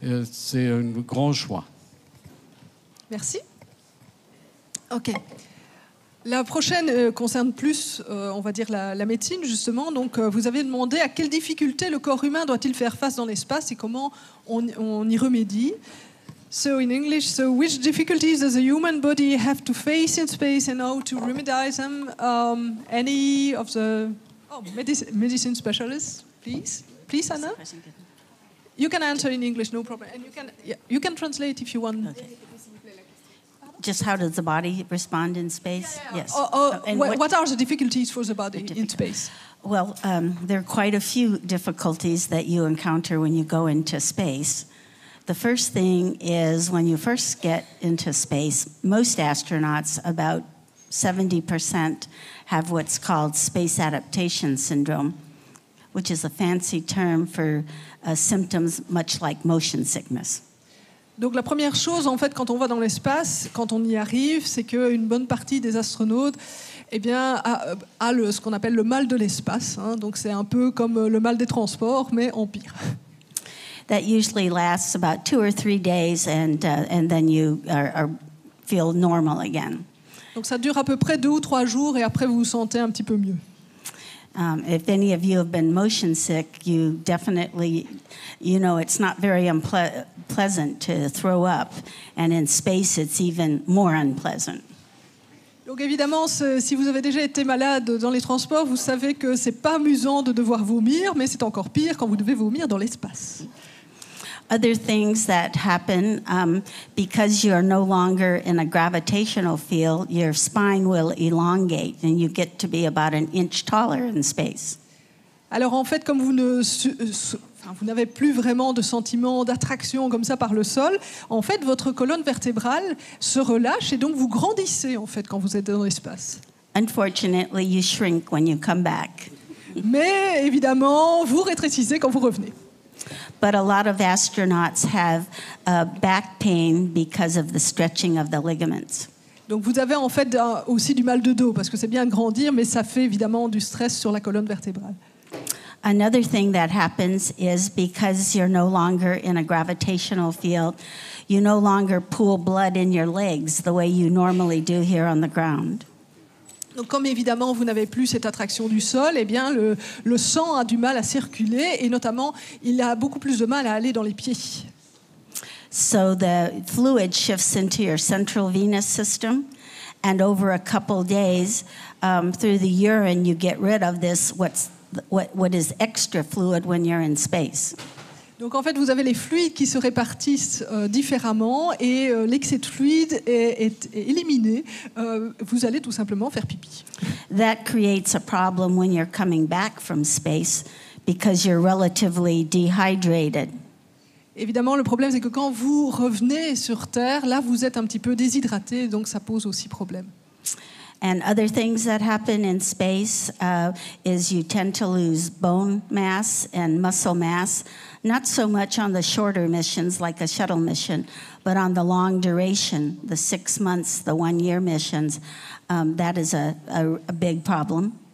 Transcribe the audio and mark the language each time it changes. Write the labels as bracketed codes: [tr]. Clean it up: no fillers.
[fr] C'est un grand choix. Merci. OK. La prochaine concerne plus, on va dire, la médecine, justement. Donc, vous avez demandé à quelles difficultés le corps humain doit-il faire face dans l'espace et comment on y remédie. [en] So, in English, so which difficulties does a human body have to face in space and how to remedy them? Any of the medicine specialists, please? Please, Anna? You can answer in English, no problem. And you can translate if you want. Okay. Just how does the body respond in space? Yeah, yeah. Yes. What are the difficulties for the body in space? Well, there are quite a few difficulties that you encounter when you go into space. The first thing is when you first get into space, most astronauts, about 70%, have what's called space adaptation syndrome, which is a fancy term for symptoms much like motion sickness. [fr] Donc la première chose, en fait, quand on va dans l'espace, quand on y arrive, c'est qu'une bonne partie des astronautes, eh bien, a ce qu'on appelle le mal de l'espace. Hein. Donc c'est un peu comme le mal des transports, mais en pire. [en] That usually lasts about 2 or 3 days, and then you are feel normal again. [fr] Donc ça dure à peu près 2 ou 3 jours, et après vous vous sentez un petit peu mieux. [en] If any of you have been motion sick, you definitely, you know, it's not very unpleasant to throw up, and in space, it's even more unpleasant. [fr] Donc évidemment, si vous avez déjà été malade dans les transports, vous savez que c'est pas amusant de devoir vomir, mais c'est encore pire quand vous devez vomir dans l'espace. [en] Other things that happen because you are no longer in a gravitational field, your spine will elongate and you get to be about an inch taller in space. [fr] Alors en fait, comme vous n'avez plus vraiment de sentiment d'attraction comme ça par le sol, en fait votre colonne vertébrale se relâche et donc vous grandissez en fait quand vous êtes dans l'espace. [en] Unfortunately, you shrink when you come back. [fr] Mais évidemment, vous rétrécissez quand vous revenez. [en] But a lot of astronauts have back pain because of the stretching of the ligaments. [fr] Donc vous avez en fait aussi du mal de dos parce que c'est bien grandir, mais ça fait évidemment du stress sur la colonne vertébrale. [en] Another thing that happens is because you're no longer in a gravitational field, you no longer pool blood in your legs the way you normally do here on the ground. [fr] Donc comme évidemment vous n'avez plus cette attraction du sol, eh bien le sang a du mal à circuler et notamment il a beaucoup plus de mal à aller dans les pieds. [en] So the fluid shifts into your central venous system and over a couple days through the urine you get rid of this what is extra fluid when you're in space. [fr] Donc en fait vous avez les fluides qui se répartissent différemment et l'excès de fluide est éliminé, vous allez tout simplement faire pipi. [en] That creates a problem when you're coming back from space because you're relatively dehydrated. [fr] Évidemment le problème c'est que quand vous revenez sur Terre, là vous êtes un petit peu déshydraté, donc ça pose aussi problème. [en] And other things that happen in space is you tend to lose bone mass and muscle mass, not so much on the shorter missions like a shuttle mission, but on the long duration, the 6 months, the 1 year missions, that is a big problem.